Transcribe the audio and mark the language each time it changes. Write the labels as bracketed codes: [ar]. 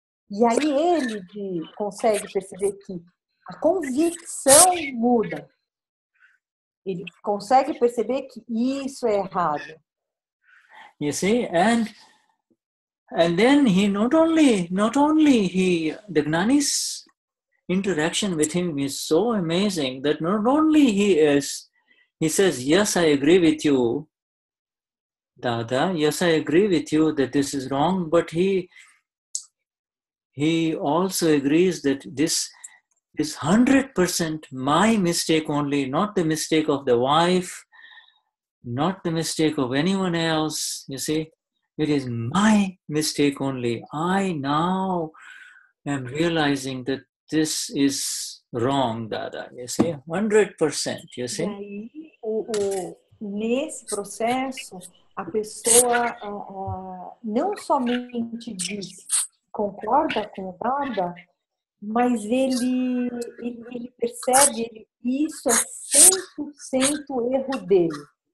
[pt] E aí ele consegue perceber que a convicção muda. Ele consegue perceber que isso é errado. [en] You see, and then he not only he, the Gnani's interaction with him is so amazing that not only he says, yes, I agree with you, Dada, yes, I agree with you that this is wrong, but he also agrees that this is 100% my mistake only, not the mistake of the wife, not the mistake of anyone else, you see. It is my mistake only. I now am realizing that this is wrong, Dada. You see? 100%, you see? [pt] E aí, nesse processo, a pessoa não somente diz, concorda com o Dada, mas ele percebe que isso é 100% erro dele.